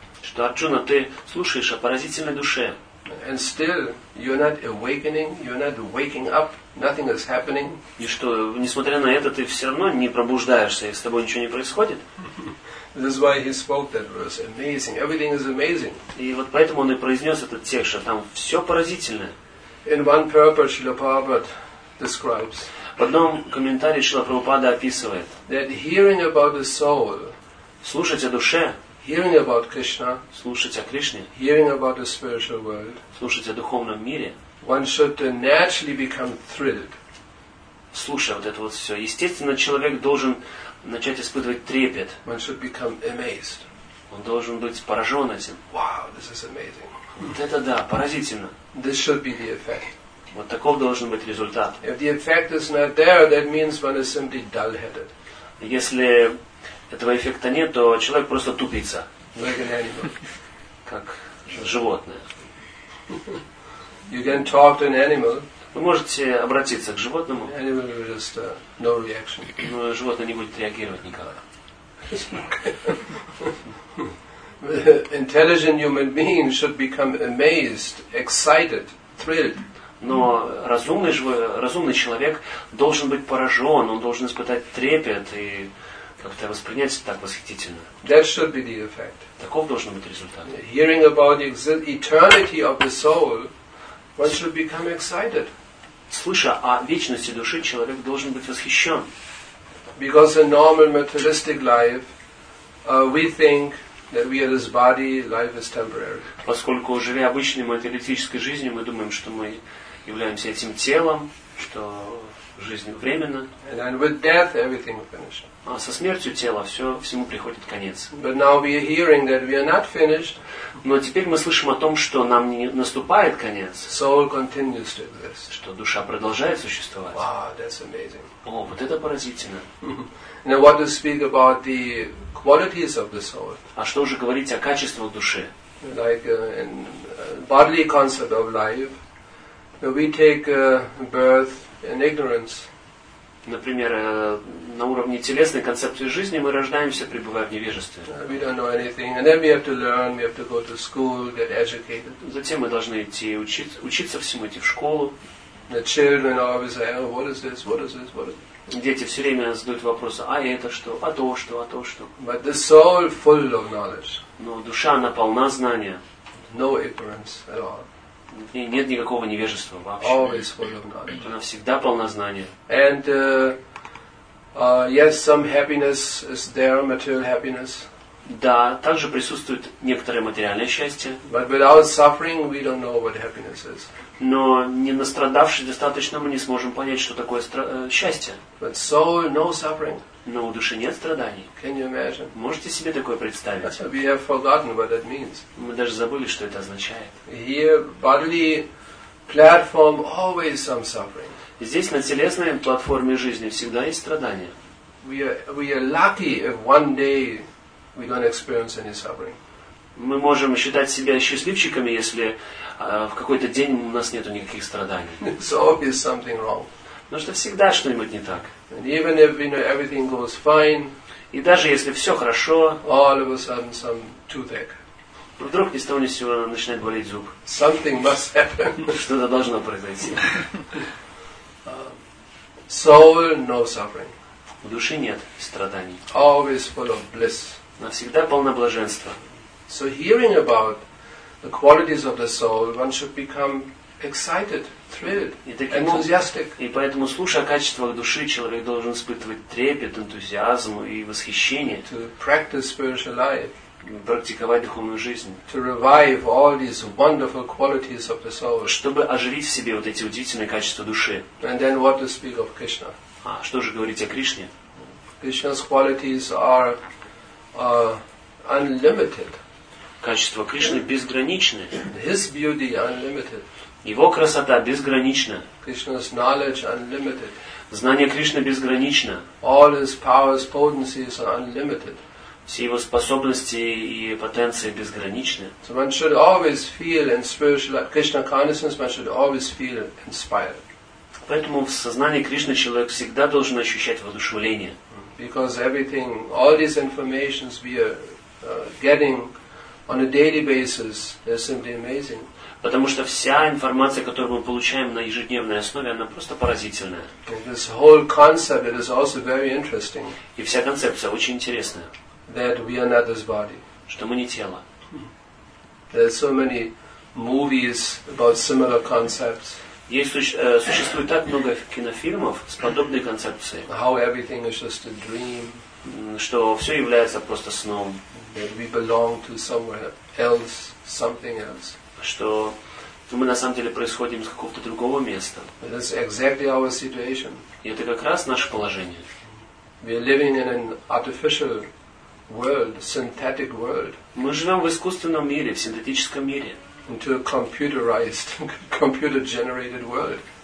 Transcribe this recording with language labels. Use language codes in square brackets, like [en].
[ru] что Арджуна, ты слушаешь о поразительной душе, [en] and still you're not awakening, you're not waking up, nothing is happening. [ru] И что, несмотря на это, ты все равно не пробуждаешься, и с тобой ничего не происходит? [en] This is why he spoke that verse. Amazing. Everything is amazing. [ru] И вот поэтому он и произнес этот текст, что там все поразительное. [en] In one purport, Srila Prabhupada describes. [ru] В одном комментарии Шрила Прабхупада описывает. [en] That hearing about the soul. [ru] Слушать о душе. [en] Hearing about Krishna. [ru] Слушать о Кришне. [en] Hearing about the spiritual world. [ru] Слушать о духовном мире. [en] One should naturally become thrilled. [ru] Слушая вот это вот все, естественно, человек должен начать испытывать трепет. [en] One should become amazed. [ru] Он должен быть поражен этим. [en] Wow, this is amazing. [ru] Вот это да, поразительно. [en] This should be the effect. [ru] Вот таков должен быть результат. [en] If the effect is not there, that means one is simply dull-headed. [ru] Если этого эффекта нет, то человек просто тупица. [en] Like an animal. [ru] Как животное. [en] You can talk to an animal. [ru] Вы можете обратиться к животному, [en] anyway, just, no reaction. [ru] Но животное не будет реагировать никогда. [en] intelligent human being should become amazed, excited, thrilled. [ru] Но разумный человек должен быть поражен, он должен испытать трепет и как-то воспринять это так восхитительно. [en] That should be the effect. [ru] Таков должен быть результат. [en] Hearing about the eternity of the soul, one should become excited. [ru] Слыша о вечности души, человек должен быть восхищен. [en] Because in normal materialistic life, we think that we are this body, life is temporary. [ru] Поскольку живя обычной материалистической жизнью, мы думаем, что мы являемся этим телом, что жизнь временна. [en] And then with death, everything will finish. [ru] А со смертью тела всему приходит конец. [en] But now we are hearing that we are not finished. [ru] Но теперь мы слышим о том, что нам не наступает конец. [en] Soul continues to exist. [ru] Что душа продолжает существовать. [en] Wow, that's amazing. [ru] О, вот это поразительно. [en] Now what to speak about the qualities of the soul? [ru] А что уже говорить о качествах души? [en] Like in bodily concept of life, we take birth in ignorance. [ru] Например, на уровне телесной концепции жизни мы рождаемся, пребывая в невежестве. [en] We don't know anything, and then we have to learn, we have to go to school, get educated. [ru] Затем мы должны идти учиться всему, идти в школу. [en] The children always say, oh, what is this, what is this, what is this? [ru] Дети все время задают вопрос, а это что, а то что, а то что. [en] But the soul full of knowledge. [ru] Но душа наполна знания. [en] No ignorance at all. [ru] И нет никакого невежества вообще. Она всегда полна знания. [en] And yes, some happiness is there, material happiness. [ru] Да, также присутствует некоторое материальное счастье. [en] But without suffering, we don't know what happiness is. [ru] Но не настрадавшись достаточно, мы не сможем понять, что такое счастье. [en] But soul, no suffering. [ru] Но у души нет страданий. [en] Can you imagine? [ru] Можете себе такое представить? [en] We have forgotten what that means. [ru] Мы даже забыли, что это означает. [en] Here, bodily platform, always some suffering. [ru] Здесь, на телесной платформе жизни, всегда есть страдания. [en] We are lucky if one day we don't experience any suffering. [ru] Мы можем считать себя счастливчиками, если в какой-то день у нас нет никаких страданий. [en] It's always something wrong. [ru] Потому что всегда что-нибудь не так. [en] And even if we know everything goes fine, [ru] и даже если все хорошо, [en] all of a sudden some toothache. [ru] Вдруг ни с того ни с сего начинает болеть зуб. [en] Something must happen. [ru] Что-то должно произойти. [en] Soul, no suffering. [ru] У души нет страданий. [en] Always full of bliss. [ru] Навсегда полна блаженства. [en] So hearing about the qualities of the soul, one should become excited, thrilled, enthusiastic. [ru] И поэтому, слушая о качествах души, человек должен испытывать трепет, энтузиазм и восхищение. [en] To practice spiritual life. [ru] Практиковать духовную жизнь. [en] To revive all these wonderful qualities of the soul. [ru] Чтобы оживить в себе вот эти удивительные качества души. [en] And then what to speak of Krishna? [ru] А что же говорить о Кришне? [en] Krishna's qualities are unlimited. [ru] Качества Кришны безграничны. [en] His beauty unlimited. [ru] Его красота безгранична. [en] Krishna's knowledge unlimited. [ru] Знание Кришны безгранично. [en] All his powers, potencies are unlimited. [ru] Все его способности и потенции безграничны. [en] So one should always feel in spiritual Krishna consciousness, one should always feel inspired. [ru] Поэтому в сознании Кришны человек всегда должен ощущать воодушевление. [en] Because everything, all these informations we are getting on a daily basis, they're simply amazing. [ru] Потому что вся информация, которую мы получаем на ежедневной основе, она просто поразительная. [en] And this whole concept, it is also very interesting. [ru] И вся концепция очень интересная. [en] That we are not this body. [ru] Что мы не тело. [en] There are so many movies about similar concepts. [ru] Существует так много кинофильмов с подобной концепцией. [en] How everything is just a dream. [ru] Что все является просто сном. [en] That we belong to somewhere else, something else. [ru] Что мы на самом деле происходим из какого-то другого места. [en] That's exactly our situation. [ru] И это как раз наше положение. [en] We are living in an artificial world, synthetic world. [ru] Мы живем в искусственном мире, в синтетическом мире. [en] Into a computerized, computer-generated world.